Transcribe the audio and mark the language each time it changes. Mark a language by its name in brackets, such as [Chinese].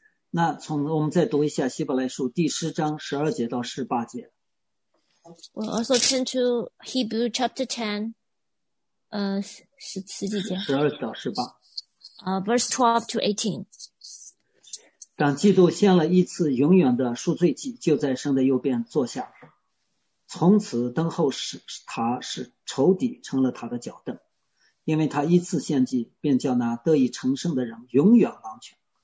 [Chinese] 那从我们再读一下希伯来书第十章十二节到十八节。 [English] We'll also turn to Hebrew chapter 10, [Chinese] 十几节。十二到十八。 [English] Verse 12-18. [Chinese] 当基督献了一次永远的赎罪祭，就在神的右边坐下，从此等候使他使仇敌成了他的脚凳，因为他一次献祭，便叫那得以成圣的人永远完全。